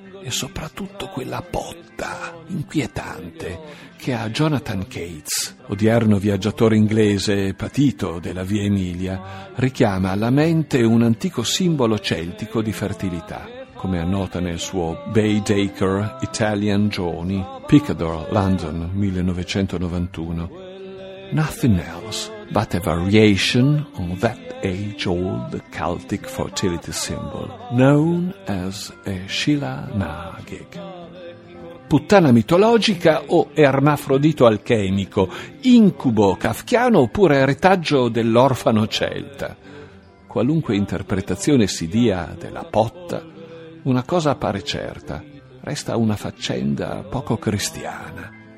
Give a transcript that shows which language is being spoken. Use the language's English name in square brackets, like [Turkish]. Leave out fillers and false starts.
[Italian] E soprattutto quella botta inquietante che a Jonathan Cates, odierno viaggiatore inglese patito della Via Emilia, richiama alla mente un antico simbolo celtico di fertilità, come annota nel suo Bay Dacre Italian Journey, Picador, London, 1991. [English] Nothing else but a variation on that age-old Celtic fertility symbol, known as a Scylla Nagig. [Italian] Puttana mitologica o ermafrodito alchemico, incubo kafkiano oppure retaggio dell'orfano celta. Qualunque interpretazione si dia della potta, una cosa appare certa, resta una faccenda poco cristiana.